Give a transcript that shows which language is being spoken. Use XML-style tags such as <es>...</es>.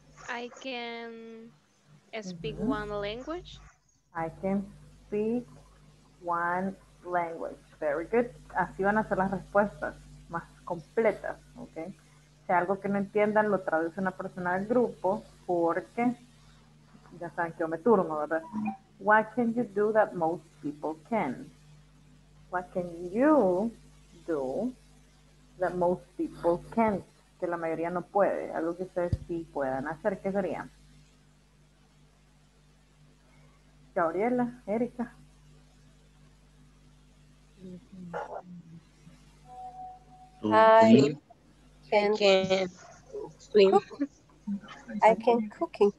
<en>I can speak one language. I can speak one language. Very good.</en> <es>Así van a ser las respuestas. Completas, ok. Si algo que no entiendan, lo traduce una persona del grupo, porque ya saben que yo me turno, ¿verdad?</es> <en>What can you do that most people can? What can you do that most people can't?</en> <es>Que la mayoría no puede. Algo que ustedes sí puedan hacer, ¿qué sería? Gabriela, Erika.</es> <en>I can swim. I can cook.</en>